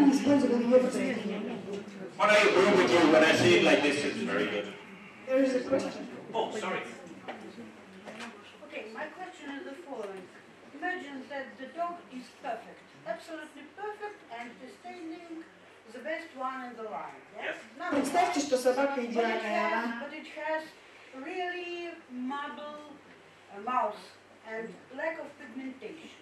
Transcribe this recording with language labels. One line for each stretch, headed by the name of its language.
English: But I agree with you, when I see it like this, it's very good. There is a question. Oh, sorry. Okay, my question is the following. Imagine that the dog is perfect, absolutely perfect, and is standing the best one in the line.
Russian: Представьте, что собака идеальная.
English: But it has really marble mouth and lack of pigmentation.